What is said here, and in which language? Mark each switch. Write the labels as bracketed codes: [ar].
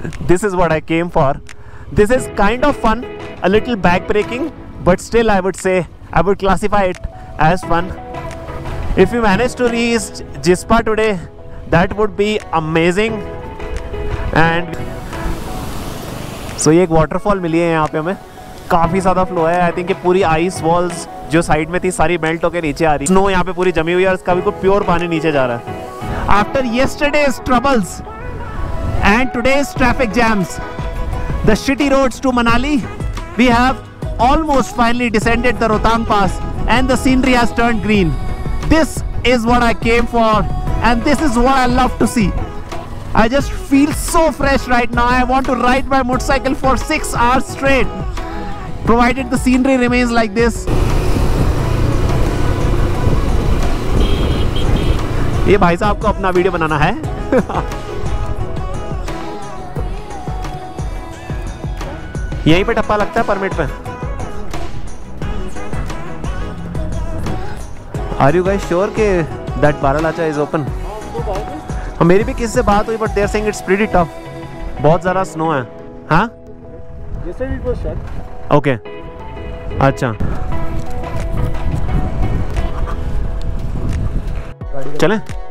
[en] This is what I came for. This is kind of fun. A little backbreaking, but still I would say I would classify it as fun. If you manage to reach Jispa today, that would be amazing. [hi] And so ये एक waterfall मिली है यहाँ पे हमें काफ़ी ज़्यादा flow है [en] I think [hi] ये पूरी आइस वॉल्स जो साइड में थी सारी मेल्ट होकर नीचे आ रही स्नो यहाँ पे पूरी जमी हुई है इसका भी कोई प्योर पानी नीचे जा रहा है [en] After yesterday's troubles and today's traffic jams the city roads to Manali we have almost finally descended the Rohtang pass and the scenery has turned green this is what I came for and this is what I love to see I just feel so fresh right now. I want to ride my motorcycle for 6 hours straight, provided the scenery remains like this. [hi] ये भाई साहब को अपना video बनाना है. यहीं पे टप्पा लगता है परमिट पे. [en] Are you guys sure [hi] के [en] that Baralacha is open? [hi] मेरी भी किसी से बात हुई [en] but they're saying it's pretty tough [hi] बहुत ज़्यादा स्नो है हाँ ओके अच्छा चलें